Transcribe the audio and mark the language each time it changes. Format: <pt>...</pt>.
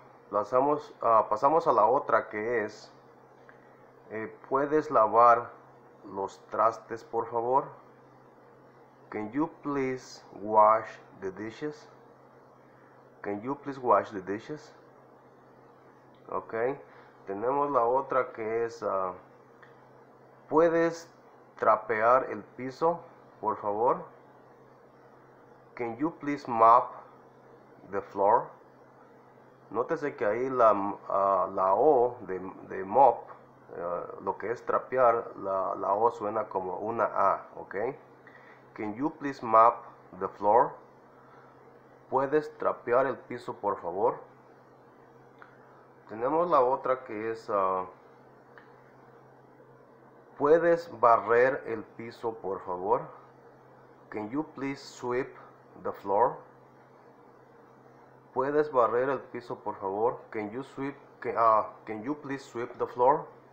<es>Pasamos a la otra que es, ¿puedes lavar los trastes, por favor?</es> <en>Can you please wash the dishes? Can you please wash the dishes? Ok.</en> <es>Tenemos la otra que es, ¿puedes trapear el piso, por favor?</es> <en>Can you please mop the floor?</en> <es>Nótese que ahí la O de mop, lo que es trapear, la O suena como una A, ¿ok?</es> <en>Can you please mop the floor?</en> <es>¿Puedes trapear el piso, por favor? Tenemos la otra que es, ¿puedes barrer el piso, por favor?</es> <en>Can you please sweep the floor?</en> <es>¿Puedes barrer el piso, por favor?</es> <en>Can you sweep, can you please sweep the floor?</en>